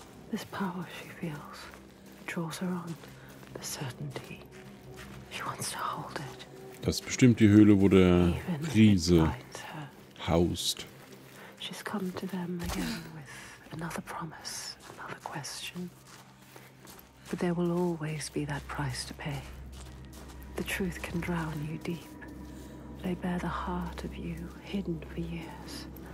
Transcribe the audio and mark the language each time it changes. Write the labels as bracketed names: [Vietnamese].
[English] This power she feels draws her on the certainty. She wants to hold it. [German] Das ist bestimmt die Höhle, wo der Riese haust. [English] She's come to them again with another promise, another question. But there will always be that price to pay. The truth can drown you deep. Lay bare the heart of you, hidden for years.